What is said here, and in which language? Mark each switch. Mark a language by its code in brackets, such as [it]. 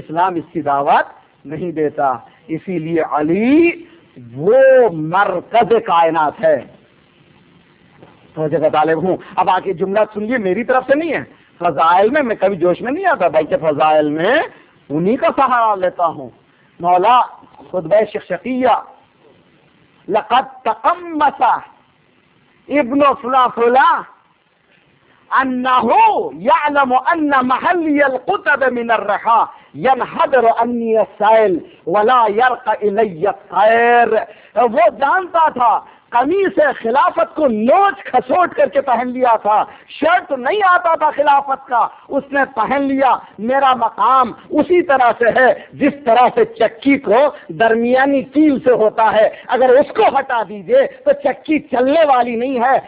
[ur] اسلام اس کی دعوت نہیں دیتا. اسی لیے علی وہ مرکز کائنات ہے. تو جگہ طالب ہوں. اب آگے جملہ سن لیے, میری طرف سے نہیں ہے, فضائل میں کبھی جوش میں نہیں آتا, بلکہ فضائل میں انہی کا سہارا لیتا ہوں. [ar] مولا خطبہ شیخ شقیہ, لقد تقمص ابن فلاں فلاں انه يعلم ان محلي القطب من الرحى ينحدر اني السائل ولا يرقى الي الطير. [ur] وہ جانتا تھا قمیص خلافت کو نوچ کھسوٹ کر کے پہن لیا تھا, شرط نہیں آتا تھا خلافت کا, اس نے پہن لیا. میرا مقام اسی طرح سے ہے جس طرح سے چکی کو درمیانی کیل سے ہوتا ہے, اگر اس کو ہٹا دیجئے تو چکی چلنے والی نہیں ہے.